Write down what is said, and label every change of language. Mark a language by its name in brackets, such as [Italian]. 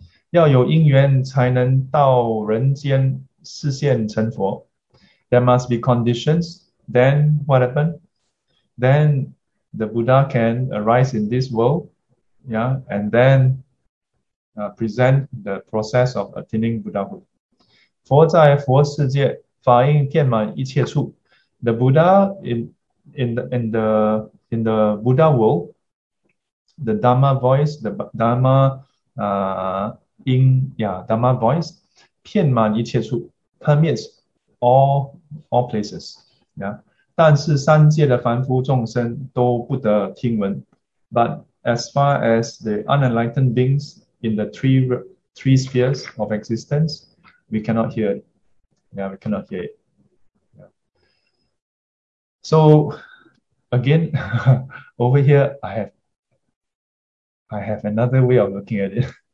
[Chinese] 要有因缘才能到人间示现成佛. [English] There must be conditions. Then what happened? Then the Buddha can arise in this world, yeah, and then present the process of attaining Buddhahood. [Chinese] 佛在佛世界法应遍满一切处. [English] The Buddha in the Buddha world, the Dharma voice, the Dharma Dharma voice, [Chinese] 遍满一切处, [English] permeates all places. Yeah. [Chinese] 但是三界的凡夫众生都不得听闻. [English] But as far as the unenlightened beings in the three spheres of existence, we cannot hear it. Yeah, we cannot hear it. Yeah. So again, over here I have another way of looking at it.